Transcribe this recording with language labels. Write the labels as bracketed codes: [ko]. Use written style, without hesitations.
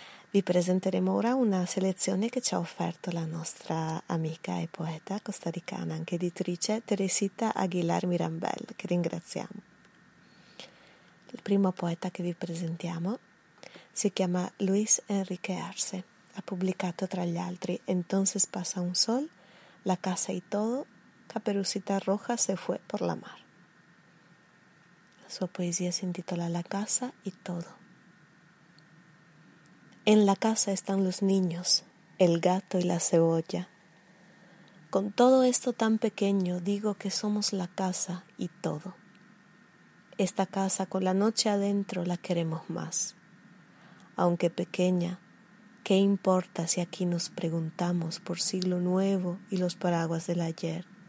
[it] Vi presenteremo ora una selezione che ci ha offerto la nostra amica e poeta costaricana, anche editrice, Teresita Aguilar Mirambel, che ringraziamo. Il primo poeta che vi presentiamo si chiama Luis Enrique Arce. Ha pubblicato tra gli altri Entonces pasa un sol, La casa y todo, Caperucita roja se fue por la mar. La sua poesia si intitola La casa y todo. [es] En la casa están los niños, el gato y la cebolla. Con todo esto tan pequeño digo que somos la casa y todo. Esta casa con la noche adentro la queremos más. Aunque pequeña, ¿qué importa si aquí nos preguntamos por siglo nuevo y los paraguas del ayer?